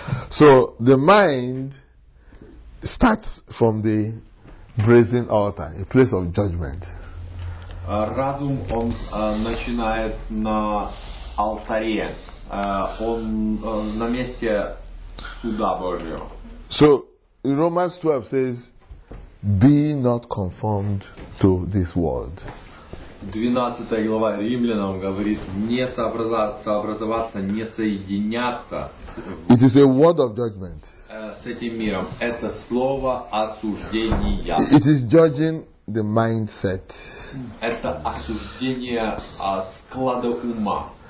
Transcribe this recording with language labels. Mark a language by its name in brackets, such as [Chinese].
[English] So the mind starts from the brazen altar, a place of judgment. [Russian] Разум он начинает на алтаре, он на месте суда Божьего. [English] So Romans 12 says, "Be not conformed to this world." [Russian] 12 глава Римлянам говорит не сообразоваться, не соединяться. [English] It is a word of judgment. [Russian] С этим миром. Это слово осуждения. [English] It is judging the mindset. [Russian] Это осуждение склада ума.